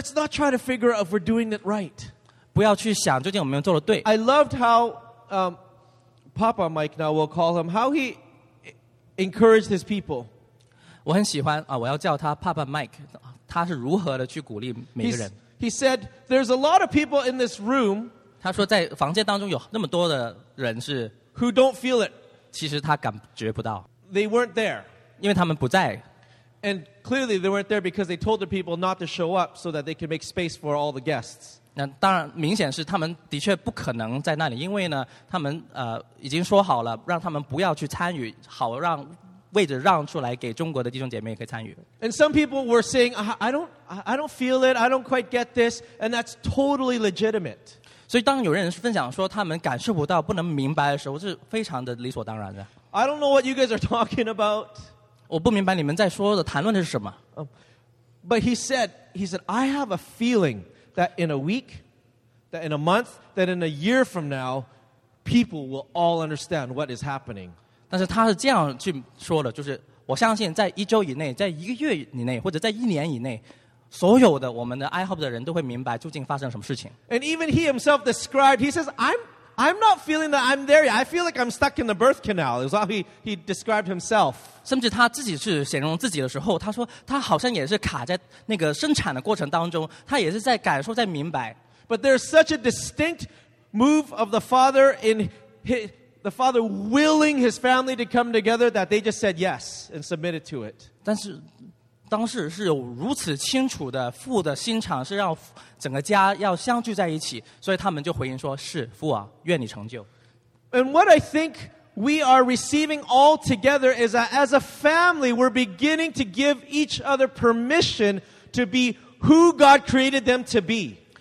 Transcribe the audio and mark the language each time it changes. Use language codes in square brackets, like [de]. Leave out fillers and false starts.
[en] Let's not try to figure out if we're doing it right. [zh] 不要去想究竟我们做的对。 [en] I loved how Papa Mike, now we'll call him, how he encouraged his people. [zh] 我很喜欢我要叫他爸爸 Mike， 他是如何的去鼓励每个人。 [en] He said, "There's a lot of people in this room." [zh] 他说在房间当中有那么多的人是 [en] who don't feel it. [zh] 其实他感觉不到。 [en] They weren't there. [zh] 因为他们不在。 [en] And clearly they weren't there because they told the people not to show up so that they could make space for all the guests. [zh] 那当然，明显是他们的确不可能在那里，因为呢，他们已经说好了，让他们不要去参与，好让。位置让出来给中国的弟兄姐妹可以参与。 [en] And some people were saying, I don't feel it, I don't quite get this, and that's totally legitimate. [zh] 所以当有人分享说他们感受不到、不能明白的时候，是非常的理所当然的。 [en] I don't know what you guys are talking about. [zh] 我不明白你们在说的、谈论的是什么。 [en] But he said, I have a feeling that in a week, that in a month, that in a year from now, people will all understand what is happening. [zh] 但是他是这样去说的，就是我相信在一周以内，在一个月以内，或者在一年以内，所有的我们的 IHOP 的人都会明白究竟发生什么事情。 [en] And even he himself described, he says, I'm, I'm not feeling that I'm there yet. I feel like I'm stuck in the birth canal. Is how he described himself. [zh] 甚至他自己是形容自己的时候，他说他好像也是卡在那个生产的过程当中，他也是在感受，在明白。 [en] But there's such a distinct move of the Father in his, the Father willing his family to come together that they just said yes and submitted to it. [zh] 但是当时是有如此清楚的父的心肠，是让整个家要相聚在一起，所以他们就回应说：“是父啊，愿你成就。” [en] And what I think we are receiving all together is that as a family, we're beginning to give each other permission to be who God created them to be.